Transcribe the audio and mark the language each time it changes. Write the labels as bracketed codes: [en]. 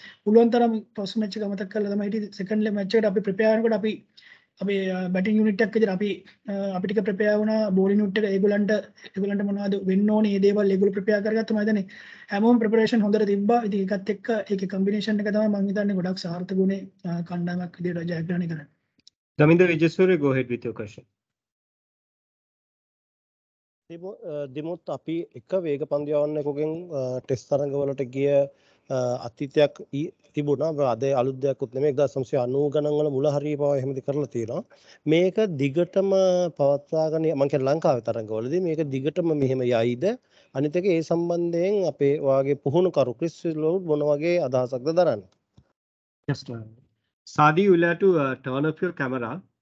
[si] පුළුවන් තරම් first match එක මතක් කරලා තමයි හිටියේ. සෙකන්ඩ් මැච් එකට අපි ප්‍රිපෙයාර් වෙනකොට අපි අපේ බැටින් යුනිට් එකක් විදිහට අපි ටික ප්‍රිපෙයාර් වුණා. බෝලින් යුනිට් එක ඒගොල්ලන්ට මොනවද වෙන්න ඕනේ මේ දේවල් ඒගොල්ලෝ ප්‍රිපෙයාර් කරගත්තා. මම හිතන්නේ හැමෝම ප්‍රිපරේෂන් හොඳට තිබ්බා. ඉතින් ඒකත් එක්ක ඒකේ කම්බිනේෂන් එක තමයි මම හිතන්නේ ගොඩක් සාර්ථක වුණේ කණ්ඩායමක් විදිහට ජයග්‍රහණය කරන්න. [en] Daminda Wijesuriya go ahead with your question. [si] Dimuth අපි එක වේග පන්දු යවන්නෙකුගෙන් ටෙස්ට් තරඟ වලට ගිය අතීතයක් තිබුණා. අද අලුත් දෙයක්ත් නෙමෙයි 1990 ගණන් වල මුල හරි පව එහෙමද කරලා තියෙනවා. මේක දිගටම පවත්වාගෙන මම කියන්නේ ලංකාවේ තරඟ වලදී මේක දිගටම මෙහෙම යයිද? අනිත් එක ඒ සම්බන්ධයෙන් අපේ වාගේ පුහුණු කරු ක්‍රිස් ලෝඩ් මොන වගේ අදහසක්ද දරන්නේ? [en] Yes sir. Sadi you have to turn off your camera.